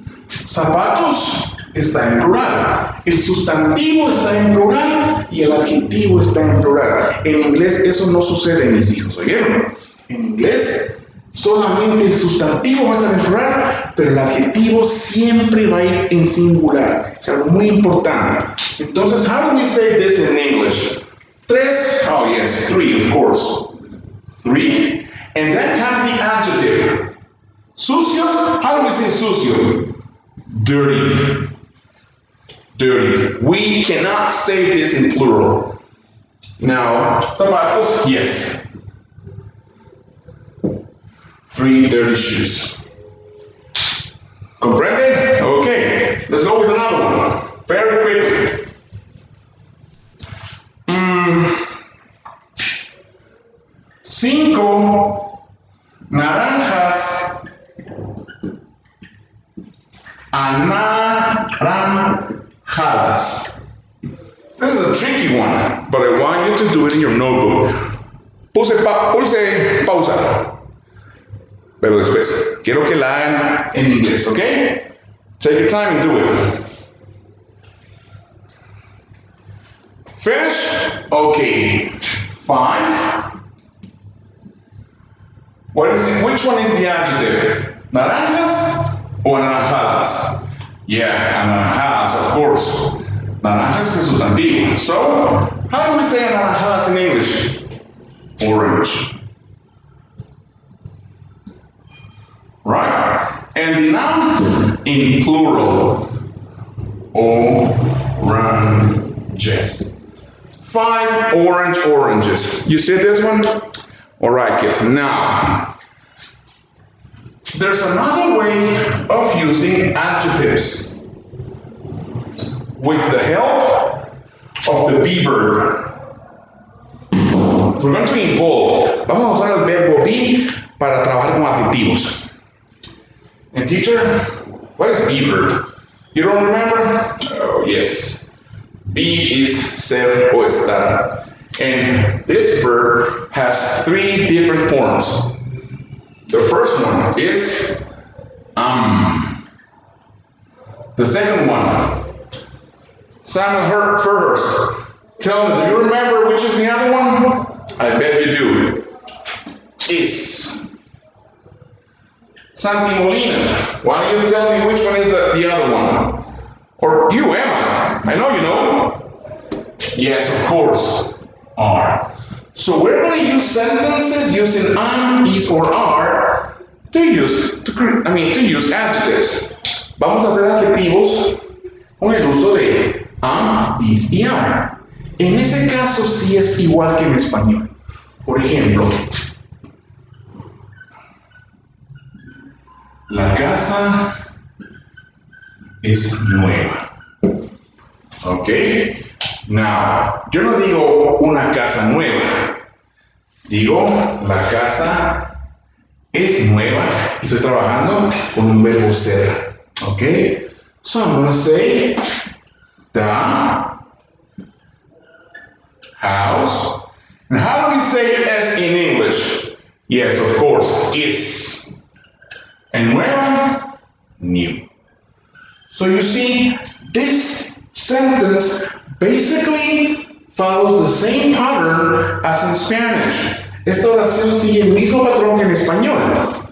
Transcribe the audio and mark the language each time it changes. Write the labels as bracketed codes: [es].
[es] Zapatos está en plural. El sustantivo está en plural y el adjetivo está en plural. En inglés eso no sucede, mis hijos, ¿oyeron? En inglés solamente el sustantivo va a estar en plural, pero el adjetivo siempre va a ir en singular. Es algo muy importante. [en] Entonces, how do we say this in English? Tres, oh yes, three, of course. Three. And then comes the adjective. Sucios, how do we say sucio? Dirty. Dirty. We cannot say this in plural. Now, zapatos, yes. Three dirty shoes. Comprende? Okay, let's go with another one. Very quickly. [es] Cinco naranjas anaranjadas. [en] This is a tricky one, but I want you to do it in your notebook. [es] Puse pausa. Pero después, quiero que la hagan en inglés, ¿ok? [en] Take your time and do it. Finish? Okay. Five. What is it? Which one is the adjective? Naranjas or anaranjadas? Yeah, anaranjadas, of course. [es] Naranjas es el sustantivo. [en] So, how do we say anaranjadas in English? Orange. Right? And the noun in plural. Oranges. Five orange oranges. You see this one? All right, kids. Now, there's another way of using adjectives with the help of the be verb. We're going to involve. [es] Vamos a usar el verbo be para trabajar con adjetivos. [en] And teacher, what is be verb? You don't remember? Oh, yes. Be is [es] ser o estar. [en] And this verb has three different forms. The first one is am. The second one, Samuel Herhurst. Tell me, do you remember which is the other one? I bet you do. Is. Santi Molina, why don't you tell me which one is the other one? Or you, Emma, I know you know. Yes, of course, are. So where do you use sentences using am, is, or are to use adjectives? [es] Vamos a hacer adjetivos con el uso de am, is, y are. En ese caso, sí es igual que en español. Por ejemplo, la casa es nueva. Ok. Now, yo no digo una casa nueva. Digo, la casa es nueva. Y estoy trabajando con un verbo ser. Ok. [en] So I'm going to say, the house. And how do we say es in English? Yes, of course, is. And nueva, new. So you see, this sentence basically follows the same pattern as in Spanish. [es] Esta oración sigue el mismo patrón que en español.